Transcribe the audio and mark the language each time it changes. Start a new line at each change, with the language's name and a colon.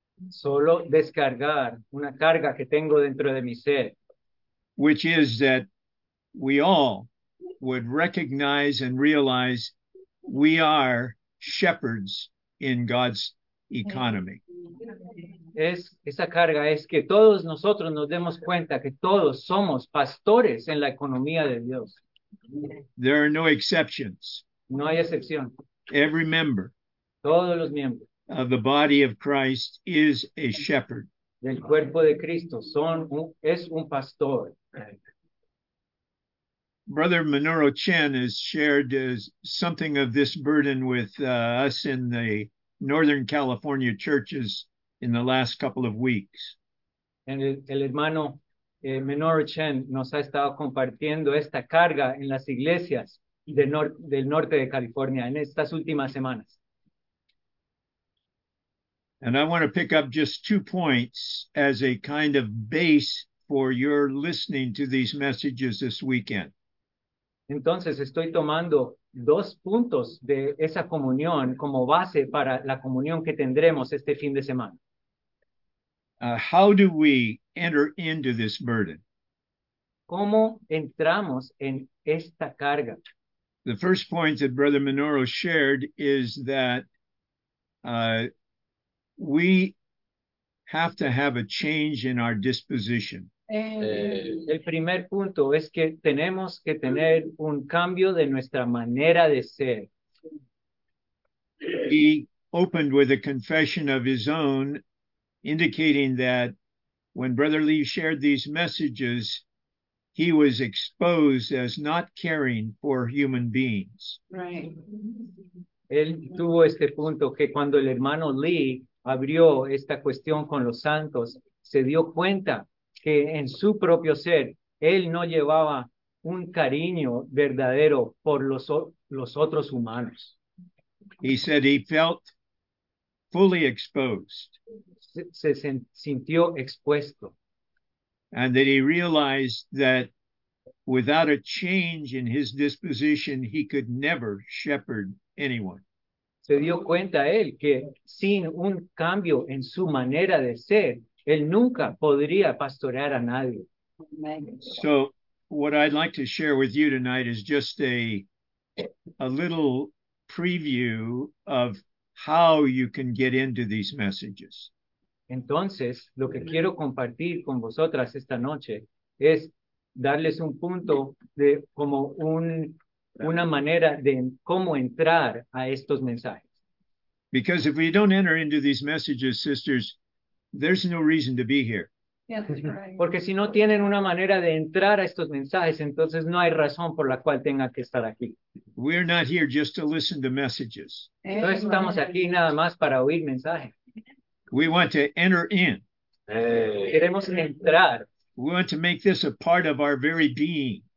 Spanish: Solo descargar una carga que tengo dentro de mi ser.
English: Which is that we all would recognize and realize we are shepherds in God's economy.
Spanish: Esa carga es que todos nosotros nos demos cuenta que todos somos pastores en la economía de Dios.
English: There are no exceptions.
Spanish: No hay excepción.
English: Every member
Spanish: Todos los miembros
English: of the body of Christ is a shepherd.
Spanish: del cuerpo de Cristo es un pastor.
English: Brother Minoru Chen has shared something of this burden with us in the Northern California churches in the last couple of weeks.
Spanish: El hermano Minoru Chen nos ha estado compartiendo esta carga en las iglesias del norte de California en estas últimas semanas.
English: And I want to pick up just two points as a kind of base for your listening to these messages this weekend.
Spanish: Entonces, estoy tomando dos puntos de esa comunión como base para la comunión que tendremos este fin de semana.
English: How do we enter into this burden?
Spanish: ¿Cómo entramos en esta carga?
English: The first point that Brother Minoru shared is that we have to have a change in our disposition.
Spanish: El primer punto es que tenemos que tener un cambio de nuestra manera de ser.
English: He opened with a confession of his own, indicating that when Brother Lee shared these messages, he was exposed as not caring for human beings. Right.
Spanish: Él tuvo este punto que cuando el hermano Lee abrió esta cuestión con los santos, se dio cuenta que en su propio ser él no llevaba un cariño verdadero por los otros humanos.
English: He said he felt fully exposed.
Spanish: Se sintió expuesto.
English: And that he realized that without a change in his disposition, he could never shepherd anyone.
Spanish: Se dio cuenta él que sin un cambio en su manera de ser, él nunca podría pastorear a nadie.
English: So, what I'd like to share with you tonight is just a little preview of how you can get into these messages.
Spanish: Entonces, lo que quiero compartir con vosotras esta noche es darles un punto de como una manera de cómo entrar a estos mensajes.
English: Because if we don't enter into these messages, sisters, there's no reason to be here.
Spanish: Porque si no tienen una manera de entrar a estos mensajes, entonces no hay razón por la cual tenga que estar aquí.
English: We're not here just to listen to messages.
Spanish: No estamos aquí nada más para oír mensajes.
English: We want to enter in. Hey.
Spanish: Queremos entrar.
English: We want to make this a part of our very being.